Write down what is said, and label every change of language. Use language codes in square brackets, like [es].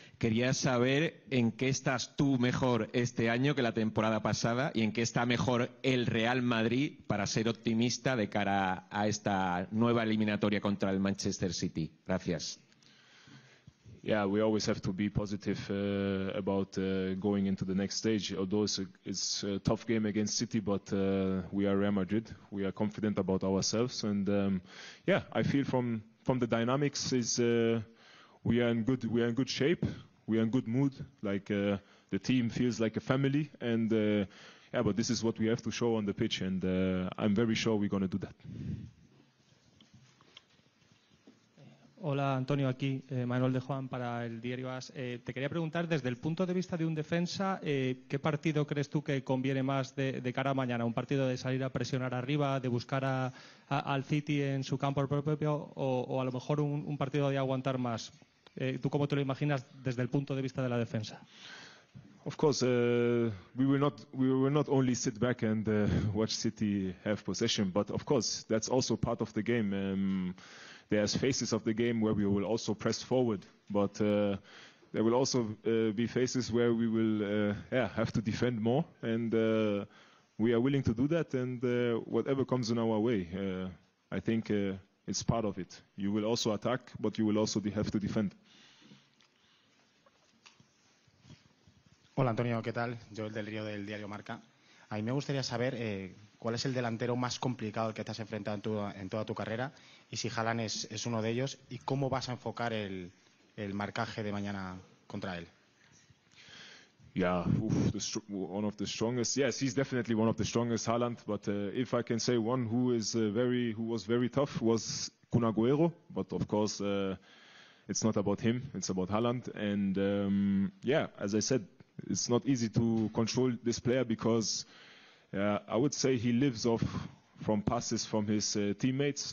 [es] Quería saber en qué estás tú mejor este año que la temporada pasada y en qué está mejor el Real Madrid, para ser optimista de cara a esta nueva eliminatoria contra el Manchester City. Gracias. [en] Yeah, we always have to be positive about going into the next stage. Although it's a tough game against City, but we are Real Madrid. We are confident about ourselves, and I feel from the dynamics is we are in good shape. We are in good mood. Like, the team feels like a family, and but this is what we have to show on the pitch, and I'm very sure we're going to do that. [es] Hola, Antonio, aquí Manuel de Juan para el diario AS. Te quería preguntar, desde el punto de vista de un defensa, ¿qué partido crees tú que conviene más de cara a mañana? ¿Un partido de salir a presionar arriba, de buscar al City en su campo propio, o a lo mejor un partido de aguantar más? ¿Tú cómo te lo imaginas desde el punto de vista de la defensa? [en] Of course, we will not only sit back and watch City have possession, but of course that's also part of the game. There's phases of the game where we will also press forward, but there will also be phases where we will have to defend more, and we are willing to do that, and whatever comes in our way, I think it's part of it. You will also attack, but you will also have to defend. [es] Hola, Antonio, ¿qué tal? Yo, el del Río, del diario Marca. A mí me gustaría saber cuál es el delantero más complicado que te has enfrentado en toda tu carrera y si Haaland es uno de ellos y cómo vas a enfocar el marcaje de mañana contra él. [en] Yeah, one of the strongest. Yes, he's definitely one of the strongest, Haaland. But if I can say one who is who was very tough was Kun Agüero. But of course, it's not about him. It's about Haaland. And as I said, it's not easy to control this player because I would say he lives off from passes from his teammates.